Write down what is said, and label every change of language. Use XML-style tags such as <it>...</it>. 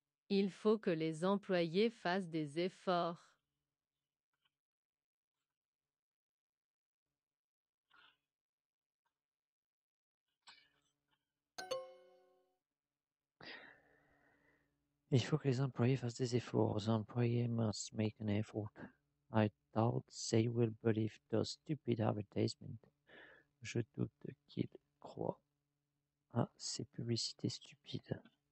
<fr>Il faut que les employés fassent des efforts. Il faut que les employés fassent des efforts. Les employés</fr> <en>must make an effort. I doubt they will believe those stupid advertisements.</en> <fr>Je doute qu'ils croient à ces publicités stupides.</fr>